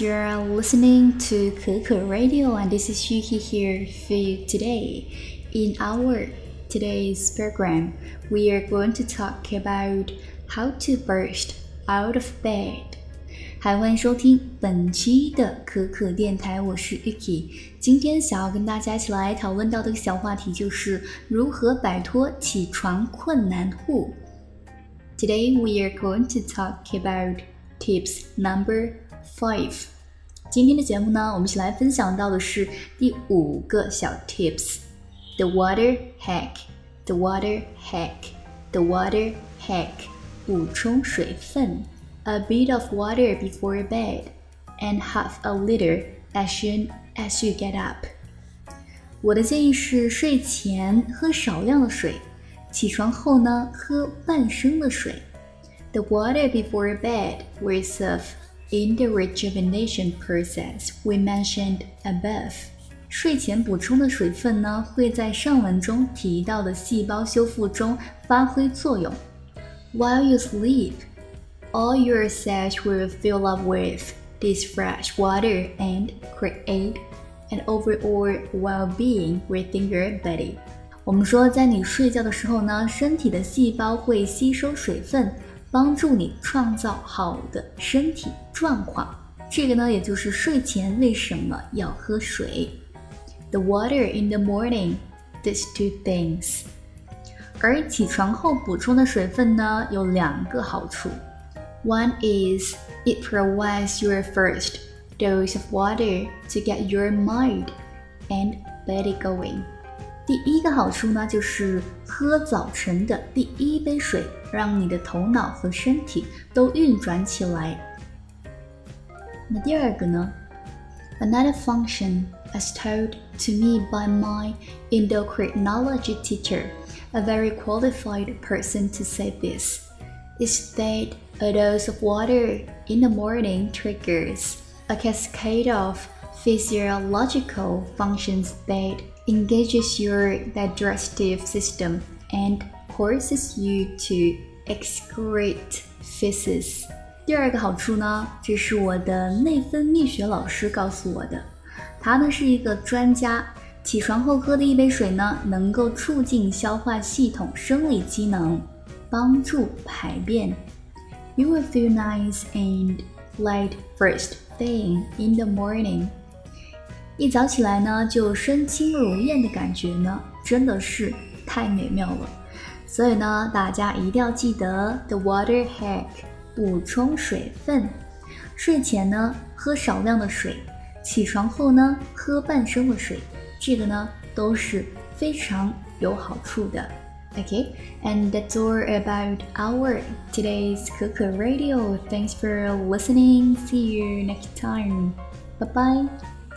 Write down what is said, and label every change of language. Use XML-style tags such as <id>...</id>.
<en>You're listening to Kuku Radio, and this is Yuki here for you today. In our today's program, we are going to talk about how to burst out of bed.</en> <zh>欢迎收听本期的可可电台，我是 Yuki。今天想要跟大家一起来讨论到的小话题就是如何摆脱起床困难户。</zh> <en>Today we are going to talk about tips number 5.</en> <zh>今天的节目呢，我们一起来分享到的是第五个小 tips.</zh> <en>The water hack, the water hack, the water hack.</en> <zh>补充水分。</zh> <en>A bit of water before bed and half a liter as soon as you get up.</en> <zh>我的建议是睡前喝少量的水，起床后呢喝半升的水。</zh> <en>The water before bed will serve in the rejuvenation process we mentioned above.</en> <zh>睡前补充的水分呢，会在上文中提到的细胞修复中发挥作用。</zh> <en>While you sleep, all your cells will fill up with this fresh water and create an overall well-being within your body.</en> <zh>我们说在你睡觉的时候呢，身体的细胞会吸收水分，帮助你创造好的身体状况。这个呢，也就是睡前为什么要喝水。</zh> <en>The water in the morning, these two things.</en> <zh>而起床后补充的水分呢，有两个好处。</zh> <en>One is, it provides your first dose of water to get your mind and body going.</en> <zh>第一个好处呢，就是喝早晨的第一杯水，让你的头脑和身体都运转起来。那第二个呢？</zh> <en>Another function, as told to me by my endocrinology teacher, a very qualified person to say this, is that a dose of water in the morning triggers a cascade of physiological functions thatengages your digestive system and causes you to excrete feces.</en> <zh>第二个好处呢，这是我的内分泌学老师告诉我的。他呢是一个专家，起床后喝的一杯水呢，能够促进消化系统生理机能，帮助排便。</zh> <en>You will feel nice and light first thing in the morning.</en> <zh>一早起来呢，就身轻如燕的感觉呢，真的是太美妙了。所以呢，大家一定要记得</zh> <en>the water hack，</en> <zh>补充水分。睡前呢喝少量的水，起床后呢喝半升的水，这个呢都是非常有好处的。</zh> <en>Okay, and that's all about our today's Kuku Radio. Thanks for listening. See you next time. Bye bye.</en>